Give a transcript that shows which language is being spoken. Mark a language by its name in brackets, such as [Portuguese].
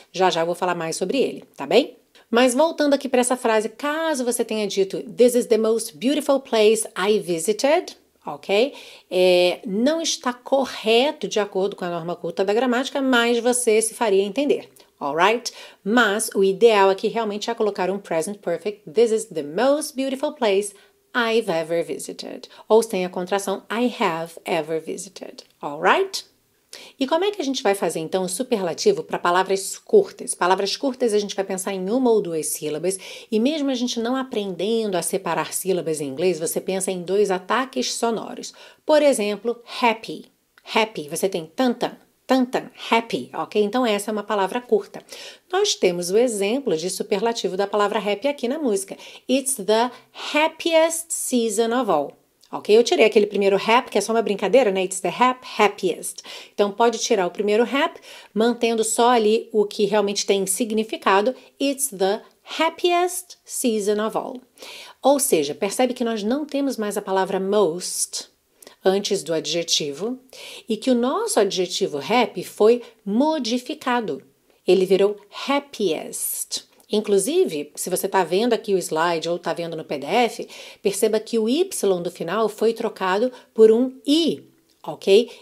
[Portuguese] Já eu vou falar mais sobre ele, tá bem? Mas voltando aqui para essa frase, caso você tenha dito [English] This is the most beautiful place I visited. [Portuguese] Ok? Não está correto de acordo com a norma culta da gramática, mas você se faria entender. Alright? Mas o ideal aqui realmente é colocar um present perfect. [English] This is the most beautiful place I've ever visited. [Portuguese] Ou sem a contração [English] I have ever visited. Alright? [Portuguese] E como é que a gente vai fazer então o superlativo para palavras curtas? Palavras curtas a gente vai pensar em uma ou duas sílabas, e mesmo a gente não aprendendo a separar sílabas em inglês, você pensa em dois ataques sonoros. Por exemplo, happy. Happy, você tem tantan, tantan, happy, ok? Então essa é uma palavra curta. Nós temos o exemplo de superlativo da palavra happy aqui na música. [English] It's the happiest season of all. [Portuguese] Ok, eu tirei aquele primeiro rap, que é só uma brincadeira, né? [English] It's the happiest. [Portuguese] Então, pode tirar o primeiro rap, mantendo só ali o que realmente tem significado. [English] It's the happiest season of all. [Portuguese] Ou seja, percebe que nós não temos mais a palavra most antes do adjetivo e que o nosso adjetivo happy foi modificado. Ele virou happiest. Inclusive, se você está vendo aqui o slide ou está vendo no PDF, perceba que o Y do final foi trocado por um I, ok?